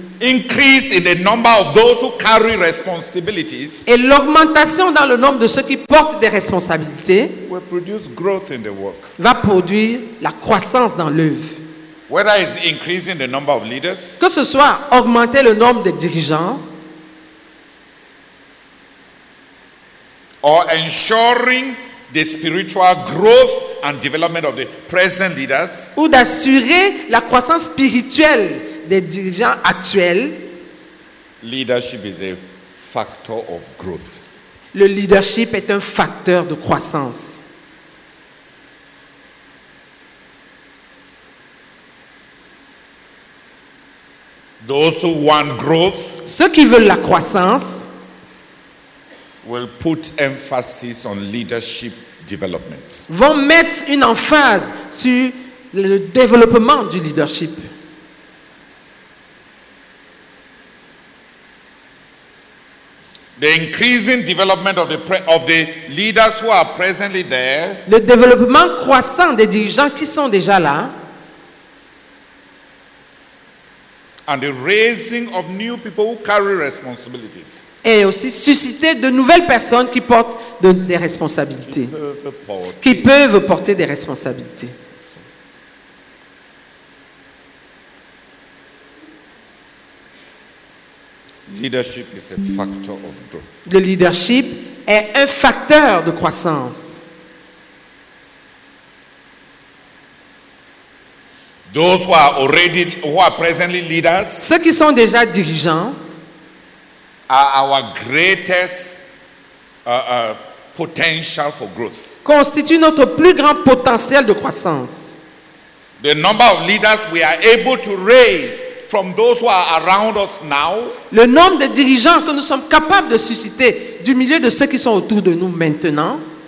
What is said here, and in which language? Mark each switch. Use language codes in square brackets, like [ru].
[en] Increase in the number of those who carry responsibilities, [fr] et l'augmentation dans le nombre de ceux qui portent des responsabilités [en] will produce growth in the work. [fr] Va produire la croissance dans l'œuvre. [en] Whether it's increasing the number of leaders, [fr] que ce soit augmenter le nombre de dirigeants, [en] or ensuring the spiritual growth and development of the present leaders, [fr] ou d'assurer la croissance spirituelle des dirigeants actuels. [en] Leadership is a factor of growth. [fr] Le leadership est un facteur de croissance. [en] Those who want growth, [fr] ceux qui veulent la croissance, [en] will put emphasis on leadership development. [fr] Vont mettre une emphase sur le développement du leadership. [en] The increasing development of the leaders who are presently there. [fr] Le développement croissant des dirigeants qui sont déjà là. [en] And the raising of new people who carry responsibilities. [fr] Et aussi susciter de nouvelles personnes qui portent des responsabilités. Qui peuvent porter des responsabilités. [en] Leadership is a factor of growth. [fr] Le leadership est un facteur de croissance. [en] Those who are presently leaders, [fr] ceux qui sont déjà dirigeants, [en] are our greatest potential for growth. [fr] Constituent notre plus grand potentiel de croissance. [en] The number of leaders we are able to raise from those who are around us now, [fr] le nombre de dirigeants que nous sommes capables de susciter du milieu de ceux qui sont autour de nous maintenant,